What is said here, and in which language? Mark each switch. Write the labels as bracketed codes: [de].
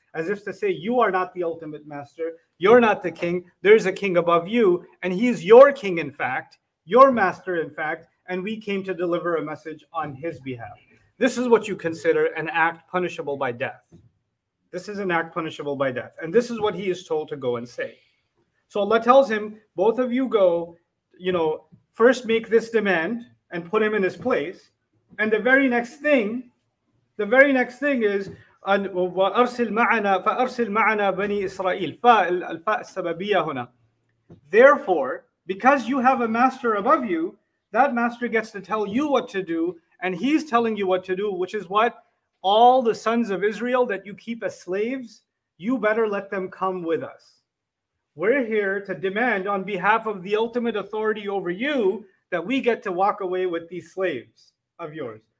[en] As if to say, you are not the ultimate master, you're not the king, there's a king above you, and he's your king, in fact, your master, in fact, and we came to deliver a message on his behalf. This is what you consider an act punishable by death. This is an act punishable by death. And this is what he is told to go and say. So Allah tells him, both of you go, you know, first make this demand and put him in his place. And the very next thing is, [ar] وَأَرْسِلْ مَعَنَا فَأَرْسِلْ مَعَنَا بَنِي إِسْرَائِيلَ فَالْفَاء السَّبَبِيَّ هُنَا. [en] Therefore, because you have a master above you, that master gets to tell you what to do, and he's telling you what to do, which is what? All the sons of Israel that you keep as slaves, you better let them come with us. We're here to demand on behalf of the ultimate authority over you that we get to walk away with these slaves of yours.